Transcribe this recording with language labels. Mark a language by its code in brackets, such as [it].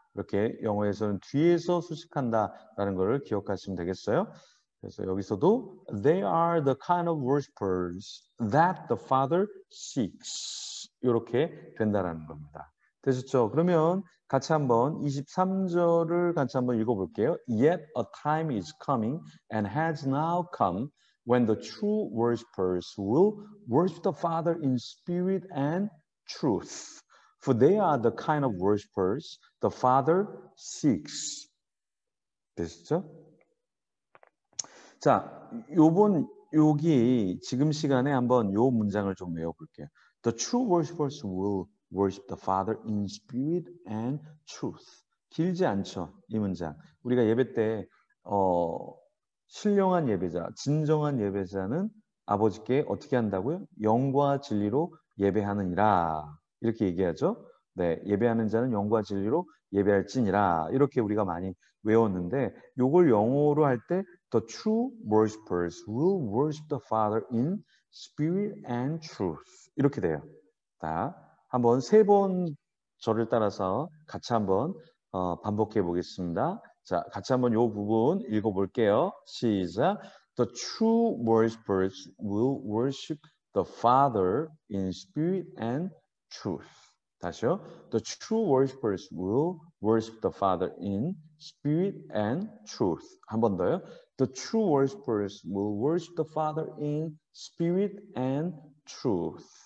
[ko] 이렇게 영어에서는 뒤에서 수식한다라는 것을 기억하시면 되겠어요. 그래서 여기서도 [en] They are the kind of worshippers that the Father seeks. [ko] 이렇게 된다라는 겁니다. 되셨죠? 그러면 같이 한번 23절을 같이 한번 읽어볼게요. [en] Yet a time is coming and has now come when the true worshippers will worship the Father in spirit and truth. For they are the kind of worshippers the Father seeks. [ko] 됐죠? 자, 요번 여기 지금 시간에 한번 요 문장을 좀 외워볼게요. [en] The true worshippers will worship the Father in spirit and truth. [ko] 길지 않죠, 이 문장. 우리가 예배 때 신령한 예배자, 진정한 예배자는 아버지께 어떻게 한다고요? 영과 진리로 예배하느니라. 이렇게 얘기하죠. 네, 예배하는 자는 영과 진리로 예배할지니라. 이렇게 우리가 많이 외웠는데 요걸 영어로 할 때 [en] The true worshippers will worship the Father in spirit and truth. [ko] 이렇게 돼요. 자, 한번 세 번 절을 따라서 같이 한번 반복해 보겠습니다. 자, 같이 한번 요 부분 읽어 볼게요. 시작. [en] The true worshippers will worship the Father in spirit and truth. [ko] 다시요. [en] The true worshippers will worship the Father in spirit and truth. [ko] 한 번 더요. [en] The true worshippers will worship the Father in spirit and truth.